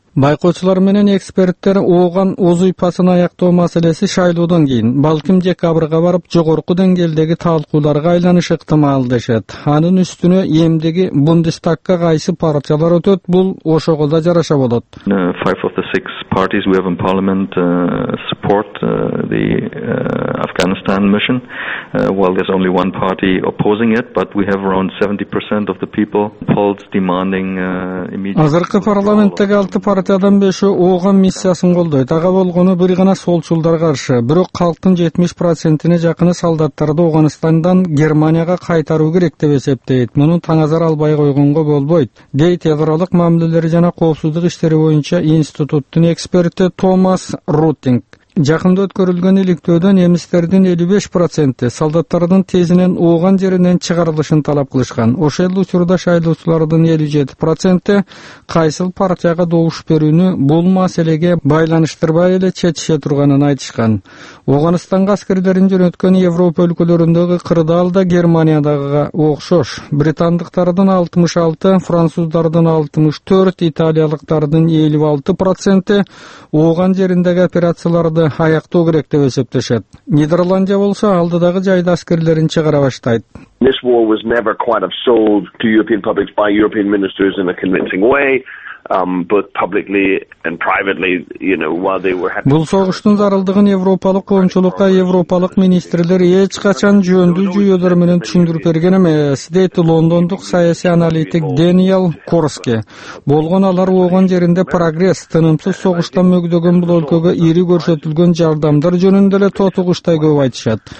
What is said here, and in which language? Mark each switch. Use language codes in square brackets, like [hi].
[ky] Байкоочулар менен эксперттер ооган оз уйпасын аяктоо маселеси шайлоодон кийин балким декабрга барып жогорку деңгээлдеги талкууларга айланышы ыктымал дешет. Анын үстүнө эмдиги Бундестагга кайсы партиялар өтөт, бул ошого да жараша болот. [en] Parties we have in parliament support the Afghanistan mission. Well, there's only one party opposing it, but we have around 70% of the people polled demanding immediate. [ky] Азыркы парламенттеги 6 партиядан 5 ооган миссиясын колдойт. Ага болгону бир гана солчулдар каршы. Бирок калктын 70%ына жакыны солдаттарды Ооганстандан Германияга кайтаруу керек деп эсептейт. Муну таңазар албай койгонго болбойт, дейт Европалык мамилелер жана коопсуздук иштери боюнча институттун эксперти Томас Рутинг. Жакында өткөрүлгөн иликтөөдөн немистердин 55% солдаттардын тезинен ууган жеринен чыгарылышын талап кылышкан. Ошол эле учурда шайлоочулардын 57% кайсыл партияга добуш берүүнү бул маселеге байланыштырбай эле чечише турганын айтышкан. Ооганстанга аскерлерин жөнөткөн Европа өлкөлөрүндөгү кырдаал да Германиядагыга окшош. Британдыктардын 66%, француздардын 64%, италиялыктардын 56% ооган жериндеги операцияларды аяктоо керек деп эсептешет. Нидерландия болсо алдыдагы жайда аскерлерин чыгара баштайт. [en] This war was never quite of sold to European publics by European ministers in a convincing way. Both publicly and privately, you know, while they were [ky] Бул согуштун зарылдыгын европалык коомчулукка европалык министрлер эч качан жөндүү жүйөлөр менен түшүндүрүп берген эмес, дейт лондондук саясий аналитик Дэниел Корске. Болгон алар ооган жеринде прогресс, тынымсыз согуштан мөгдөгөн бул өлкөгө ири көрсөтүлгөн жардамдар жөнүндө эле тотугуштай көп айтышат.